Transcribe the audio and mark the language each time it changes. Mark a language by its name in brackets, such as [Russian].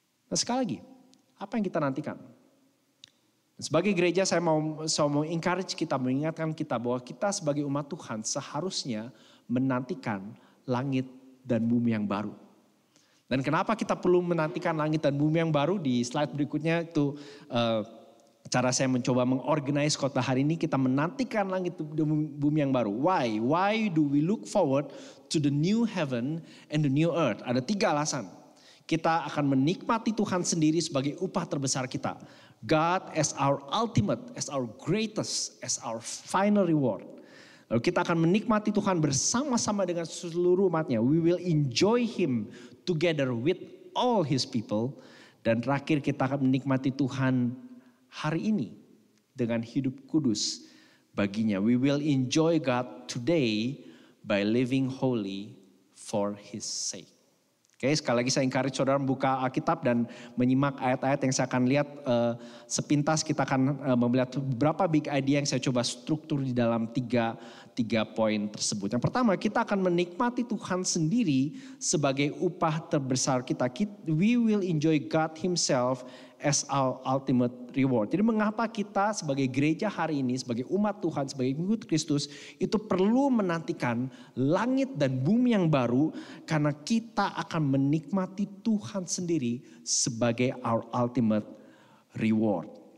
[Indonesian] Nah, sekali lagi, apa yang kita nantikan? Sebagai gereja saya mau encourage kita, mengingatkan kita bahwa kita sebagai umat Tuhan seharusnya menantikan langit dan bumi yang baru. Dan kenapa kita perlu menantikan langit dan bumi yang baru? Di slide berikutnya itu cara saya mencoba mengorganize kota hari ini, kita menantikan langit dan bumi yang baru. [English] Why? Why do we look forward to the new heaven and the new earth? [Indonesian] Ada 3 alasan. Kita akan menikmati Tuhan sendiri sebagai upah terbesar kita. [English] God as our ultimate, as our greatest, as our final reward. [Indonesian] Lalu kita akan menikmati Tuhan bersama-sama dengan seluruh umatnya. [English] We will enjoy him together with all his people. [Indonesian] Dan terakhir kita akan menikmati Tuhan hari ini dengan hidup kudus baginya. [English] We will enjoy God today by living holy for his sake. [Indonesian] Oke, sekali lagi saya encourage saudara membuka Alkitab dan menyimak ayat-ayat yang saya akan lihat sepintas. Kita akan melihat beberapa big idea yang saya coba struktur di dalam 3 poin tersebut. Yang pertama, kita akan menikmati Tuhan sendiri sebagai upah terbesar kita. [English] We will enjoy God himself as our ultimate reward. [Indonesian] Jadi mengapa kita sebagai gereja hari ini, sebagai umat Tuhan, sebagai pengikut Kristus, itu perlu menantikan langit dan bumi yang baru, karena kita akan menikmati Tuhan sendiri sebagai [English] our ultimate reward.